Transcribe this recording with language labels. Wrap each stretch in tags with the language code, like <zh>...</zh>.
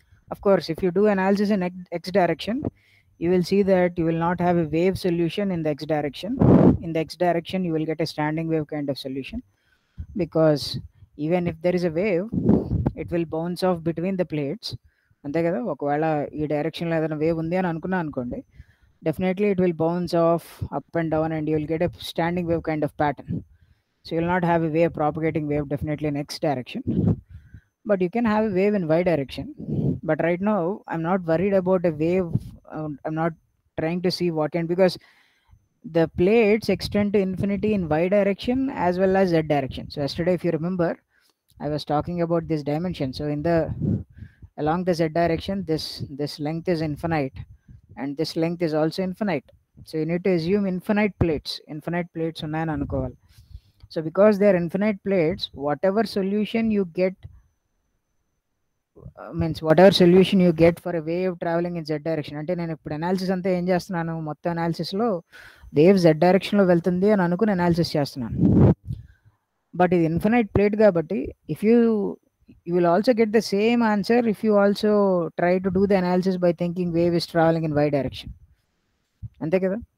<en>Of course, if you do analysis in X direction, you will see that you will not have a wave solution in the X direction. In the X direction, you will get a standing wave kind of solution, because even if there is a wave, it will bounce off between the plates.</en> <te>అంతే కదా, ఒకవేళ ఈ డైరెక్షన్లో ఏదైనా wave ఉంది అని అనుకున్నా అనుకోండి,</te> <en>Definitely it will bounce off up and down and you will get a standing wave kind of pattern. So you'll not have a wave propagating wave definitely in X direction, but you can have a wave in Y direction. But right now I'm not worried about a wave, I'm not trying to see what and because the plates extend to infinity in Y direction as well as Z direction. So yesterday if you remember I was talking about this dimension. So in the along the z direction, this length is infinite, and this length is also infinite. So you need to assume infinite plates</en> <te>unnayani anukovali.</te> <en>So because they are infinite plates, whatever solution you get</en> <te>means what ever solution you get for a wave travelling in Z direction, అంటే నేను ఇప్పుడు analysis అంతా ఏం చేస్తున్నాను, మొత్తం అనాలిసిస్లో wave Z డైరెక్షన్లో వెళ్తుంది అని అనుకుని అనాలిసిస్ చేస్తున్నాను.</te> <en>but</en> <te>ఇది ఇన్ఫినైట్ ప్లేట్ కాబట్టి</te> <en>if you you will also get the same answer if you also try to do the analysis by thinking wave is travelling in Y direction,</en> <te>అంతే కదా.</te>